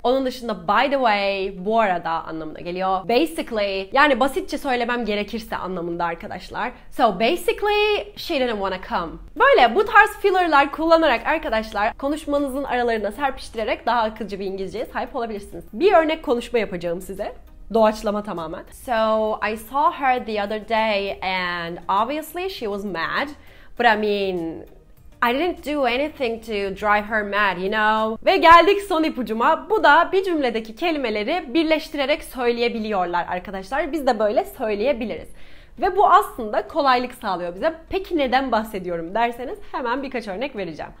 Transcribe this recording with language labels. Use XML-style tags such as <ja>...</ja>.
<tr>Onun dışında by the way, bu arada anlamına geliyor. Basically, yani basitçe söylemem gerekirse anlamında arkadaşlar.</tr> <en>So basically, she didn't wanna come.</en> <tr>Böyle bu tarz fillerlar kullanarak arkadaşlar konuşmanızın aralarına serpiştirerek daha akıcı bir İngilizceye sahip olabilirsiniz. Bir örnek konuşma yapacağım size. Doğaçlama tamamen.</tr> <en>So I saw her the other day and obviously she was mad. But I mean, I didn't do anything to drive her mad, you know?</en> <tr>Ve geldik son ipucuma. Bu da bir cümledeki kelimeleri birleştirerek söyleyebiliyorlar arkadaşlar. Biz de böyle söyleyebiliriz. Ve bu aslında kolaylık sağlıyor bize. Peki neden bahsediyorum derseniz hemen birkaç örnek vereceğim.</tr>